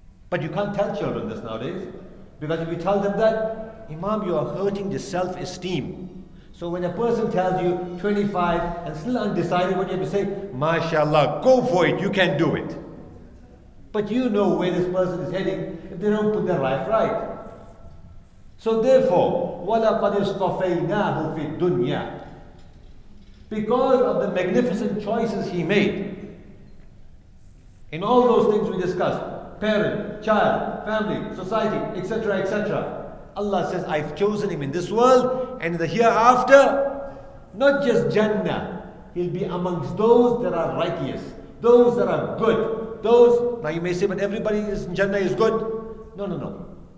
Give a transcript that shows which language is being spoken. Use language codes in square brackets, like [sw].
[en] But you can't tell children this nowadays. Because if you tell them that, Imam, you are hurting the self-esteem. So when a person tells you 25 and still undecided, what you have to say, mashallah, go for it, you can do it. But you know where this person is heading if they don't put their life right. So therefore, [ar] وَلَقَدْ اصْطَفَيْنَاهُ فِي الدُّنْيَا. [en] Because of the magnificent choices he made, in all those things we discussed, parent, child, family, society, etc., etc., Allah says, I've chosen him in this world, and in the hereafter, not just Jannah, he'll be amongst those that are righteous, those that are good, those, now you may say, but everybody is in Jannah is good. No.